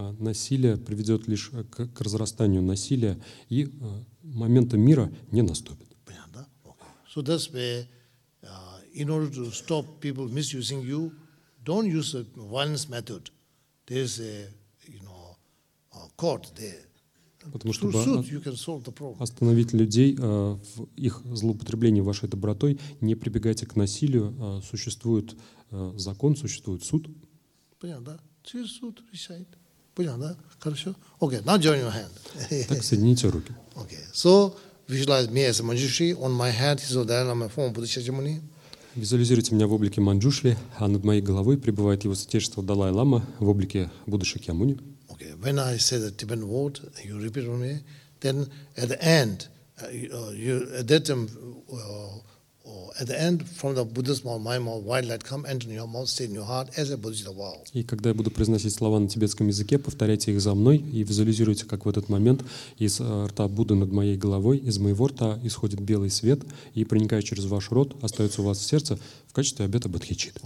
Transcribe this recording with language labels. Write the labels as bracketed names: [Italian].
[Russian] Насилие приведет лишь к разрастанию насилия, и момента мира не наступит. Понятно? Okay. [English] So that's where, in order to stop people misusing you, don't use a violence method. There's a, you know, a court there. [Russian] Потому что остановить людей в их злоупотреблении вашей добротой, не прибегайте к насилию. Существует закон, существует суд. Понятно? Через суд решает. Понятно? Хорошо? Okay, now join your hand. Так, соедините руки. [English] Okay, so visualize me as a Manjushri. On my head is the Dalai Lama form of Bodhisattva. [Russian] Визуализируйте меня в облике Манджушри, а над моей головой пребывает его святейшество Далай Лама в облике Будды Шакьямуни. [English] When I say the Tibetan word, you repeat on me. Then at the end, at the end from the Buddha's mouth, my mouth, white light come enter your mouth, stay in your heart as a Bodhisattva vow. [Russian] И когда я буду произносить слова на тибетском языке, повторяйте их за мной и визуализируйте, как в этот момент из рта Будды над моей головой, из моего рта исходит белый свет и проникает через ваш рот, остается у вас в сердце в качестве обета бодхичит.